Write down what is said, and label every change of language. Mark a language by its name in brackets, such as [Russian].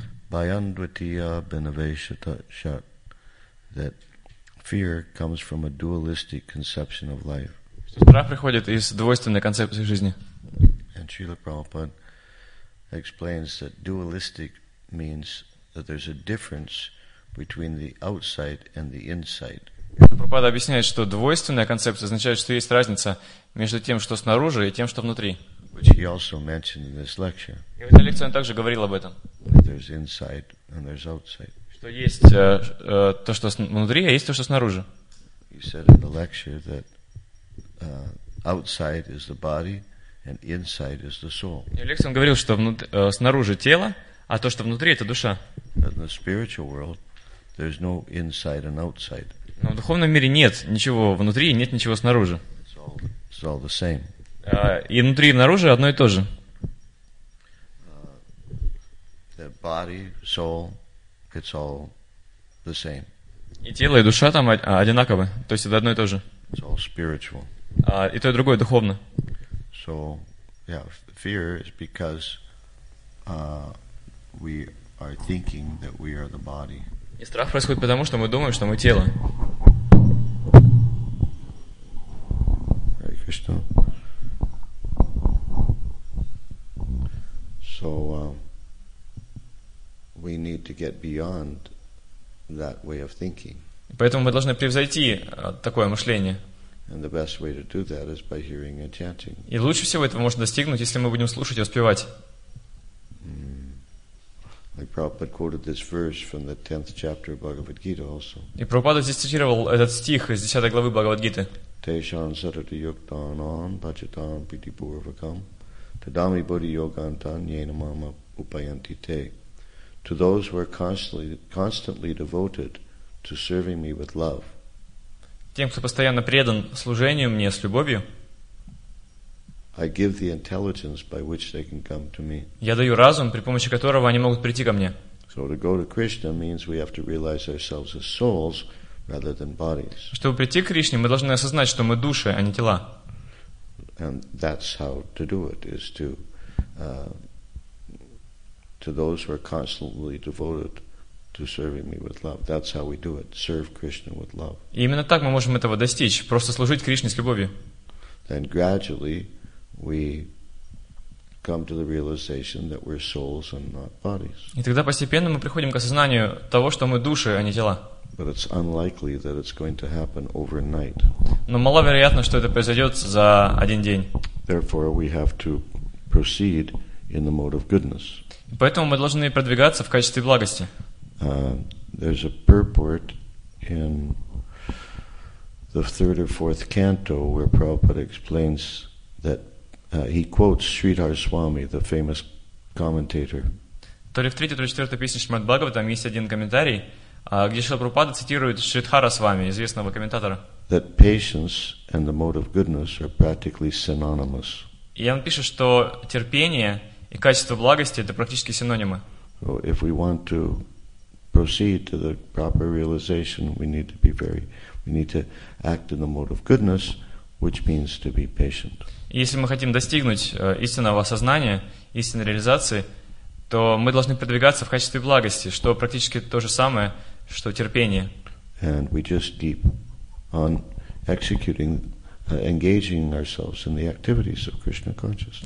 [Sanskrit] Bhayandvatiya binaveshata shat, [English] that fear comes from a dualistic conception of life. [Russian] Страх приходит из двойственной концепции жизни. [English] And Srila Prabhupada explains that dualistic means that there's a difference between the outside and the inside. [Russian] Прабхупада объясняет, что двойственная концепция означает, что есть разница между тем, что снаружи, и тем, что внутри. [English] Which he also mentioned in this lecture. [Russian] И в этой лекции он также говорил об этом. [English] That there's inside and there's outside. [Russian] Что есть то, что внутри, а есть то, что снаружи. [English] He said in the lecture that outside is the body and inside is the soul. [Russian] И в лекции он говорил, что снаружи тело, а то, что внутри, это душа. [English] In the spiritual world, there's no inside and outside. [Russian] Но в духовном мире нет ничего внутри и нет ничего снаружи. [English] It's all the same. [Russian] И внутри и снаружи одно и то же. [English] The body, soul, it's all the same. [Russian] И тело, и душа там одинаковы, то есть это одно и то же. [English] It's all spiritual. [Russian] И то, и другое духовно. [English] So, yeah, fear is because we are thinking that we are the body. [Russian] И страх происходит потому, что мы думаем, что мы тело. [English] Hare Krishna. So we need to get beyond that way of thinking. [Russian] Поэтому мы должны превзойти такое мышление. [English] And the best way to do that is by hearing and chanting. [Russian] И лучше всего этого можно достигнуть, если мы будем слушать и воспевать. [English] Like Prabhupada quoted this verse from the 10th chapter of Bhagavad Gita also. [Russian] И Прабхупада здесь цитировал этот стих из 10 главы Бхагавад Гиты. [Sanskrit] Тешан сарати юктанан бачатан прити пурвакам тадами бодхи йогантан йена мама упаянти те. [English] To those who are constantly devoted to serving me with love. [Russian] Тем, кто постоянно предан служению мне с любовью. [English] I give the intelligence by which they can come to me. [Russian] Я даю разум, при помощи которого они могут прийти ко мне. [English] So to go to Krishna means we have to realize ourselves as souls rather than bodies. [Russian] Чтобы прийти к Кришне, мы должны осознать, что мы души, а не тела. [English] And that's how to do it is to those who are constantly devoted to serving me with love. That's how we do it. Serve Krishna with love. [Russian] И именно так мы можем этого достичь, просто служить Кришне с любовью. [English] Then gradually we come to the realization that we're souls and not bodies. [Russian] И тогда постепенно мы приходим к осознанию того, что мы души, а не тела. [English] But it's unlikely that it's going to happen overnight. [Russian] Но маловероятно, что это произойдет за один день. [English] Therefore, we have to proceed in the mode of goodness. [Russian] Поэтому мы должны продвигаться в качестве благости. [English] There's a purport in the third or fourth canto where Prabhupada explains that he quotes Sridhar Swami, the famous commentator. [Russian] То ли в третьей, то ли в четвертой песне Шримад Бхагаватам есть один комментарий, где Шрила Прабхупада цитирует Шридхара Свами, известного комментатора. [English] That patience and the mode of goodness are practically synonymous. [Russian] И он пишет, что терпение и качество благости — это практически синонимы. [English] So if we want to proceed to the proper realization, we need to act in the mode of goodness, which means to be patient. [Russian] Если мы хотим достигнуть истинного осознания, истинной реализации, то мы должны продвигаться в качестве благости, что практически то же самое, что терпение. [English] And we just keep on executing, engaging ourselves in the activities of Krishna consciousness.